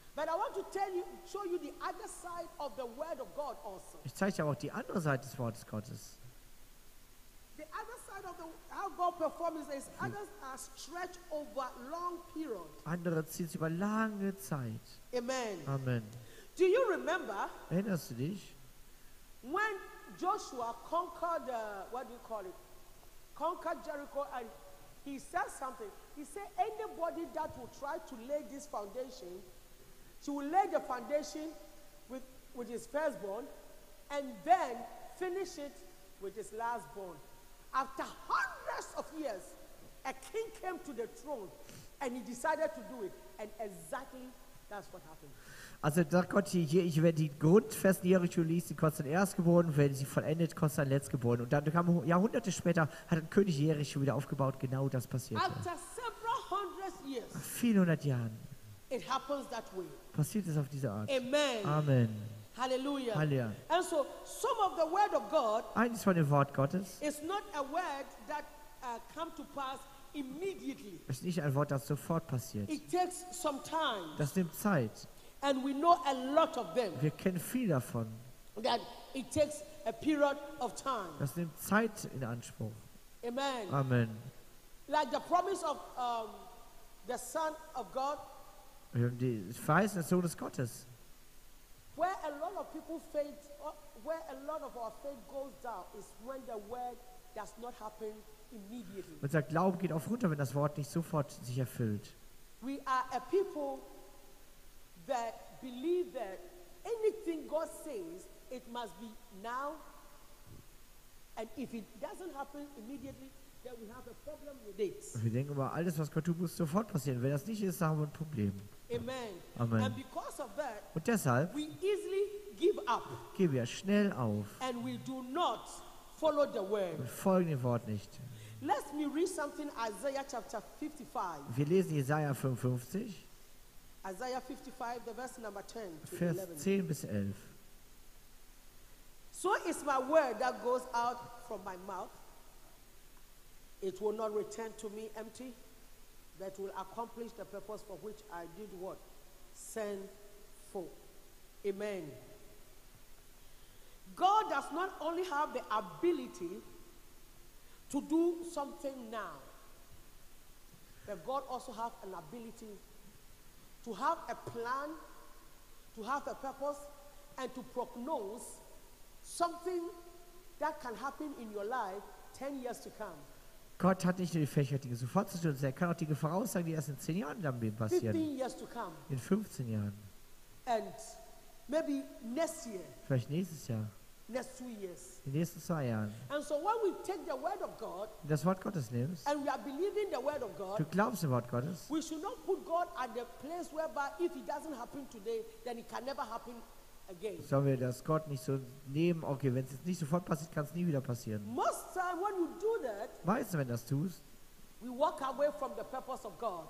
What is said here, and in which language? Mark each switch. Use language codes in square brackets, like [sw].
[en] But I want to tell you, show you the other side of the word of God also. [de] Ich zeige dir aber auch die andere Seite des Wortes Gottes. [en] The other side of the how God performs is others are stretched over long period. [de] Andere ziehen es über lange Zeit. [en] Amen. [de] Amen. [en] Do you remember? [de] Erinnerst du dich? [en] When Joshua conquered what do you call it? Conquered Jericho and he said something. He said anybody that will try to lay this foundation, she will lay the foundation with his firstborn and then finish it with his lastborn. After hundreds of years, a king came to the throne and he decided to do it. And exactly that's what happened. [de] Also sagt Gott hier, ich werde die Grundfesten Jericho ließen, kostet erstgeboren, wenn sie vollendet, kostet ein letztgeboren. Und dann kam Jahrhunderte später, hat ein König Jericho wieder aufgebaut, genau das passiert. [en] After several hundred years, [de] nach vielen hundert Jahren, [en] it happens that way. [de] Passiert es auf diese Art. [en] Amen. [de] Amen. [en] Hallelujah. [de] Halleluja. [en] And so, some of the word of God, [de] eines von dem Wort Gottes, [en] is not a word that come to pass immediately. [de] Ist nicht ein Wort, das sofort passiert. [en] It takes some time. [de] Das nimmt Zeit. [en] And we know a lot of them. [de] Wir kennen viel davon. [en] That it takes a period of time. [de] Das nimmt Zeit in Anspruch. [en] Amen. [de] Amen. [en] Like the promise of the Son of God. [de] Die Verheißung des Sohnes Gottes. [en] Where a lot of people faith, where a lot of our faith goes down, is when the word does not happen immediately. [de] Und sagt, Glaube geht auf runter, wenn das Wort nicht sofort sich erfüllt. [en] We are a people that believe that anything God says, it must be now. And if it doesn't happen immediately, then we have a problem with it. [de] Wir denken über alles, was Gott tut, muss sofort passieren. Wenn das nicht ist, haben wir ein Problem. [en] Amen. [de] Amen. [en] And because of that, [de] und deshalb [en] we easily give up. [de] Geben wir schnell auf. [en] And we do not follow the word. [de] Wir folgen dem Wort nicht. [en] Let me read something, Isaiah chapter 55. [de] Wir lesen Jesaja 55. [en] Isaiah 55, the verse number 10 to [de] 11. Vers 10 bis 11. [en] So is my word that goes out from my mouth. It will not return to me empty, but will accomplish the purpose for which I did what? Send for. Amen. God does not only have the ability to do something now, but God also has an ability to have a plan, to have a purpose, and to prognose something that can happen in your life 10 years to come. [de] Gott hat nicht nur die Fähigkeit, Dinge sofort zu tun, er kann auch Dinge voraussagen, die erst in 10 Jahren dann passieren. [en] 15 years to come. [de] In 15 Jahren. [en] And maybe next year. [de] Vielleicht nächstes Jahr. [en] Next 2 years. [de] In den nächsten 2 Jahren. [en] And so when we take the word of God, [de] das Wort Gottes nimmst, [en] and we are believing the word of God, [de] du glaubst dem Wort Gottes, [en] we should not put God at the place whereby if it doesn't happen today, then it can never happen again. [de] Sollen wir das Gott nicht so nehmen? Okay, wenn es jetzt nicht sofort passiert, kann es nie wieder passieren. [en] Most time when we do that, [de] meistens, wenn du das tust, [en] we walk away from the purpose of God.